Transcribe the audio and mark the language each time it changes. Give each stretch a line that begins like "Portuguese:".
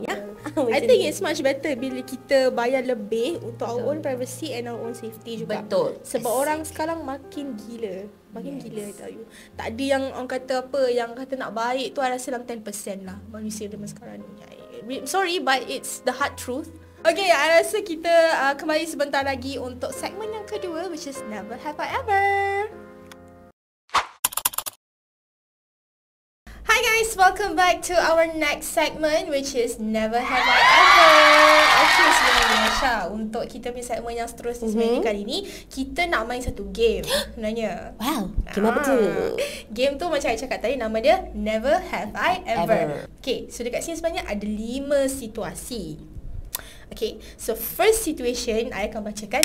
Malay: Ya.
English: I think it's much better
Malay: bila kita bayar lebih untuk
English: our own privacy and our own safety
Malay: juga. Betul. Sebab orang sekarang makin gila. Gila tau you. Tak ada yang orang kata apa, yang kata nak baik tu adalah selang 10% lah manusia zaman sekarang ni.
English: Sorry but it's the hard truth. Okay, I
Malay: rasa kita kembali sebentar lagi untuk segmen yang kedua,
English: which is Never Have I Ever. Hi guys, welcome back to our next segment, which is Never Have I Ever.
Malay: Okay, sebenarnya Asha, untuk kita punya segmen yang seterusnya sebenarnya kali ini, kita nak main satu game sebenarnya. Wow, game apa tu? Game tu macam saya cakap tadi, nama dia Never Have I Ever. Okay, so dekat sini sebenarnya ada 5 situasi. Okay, so
English: first situation
Malay: I akan bacakan.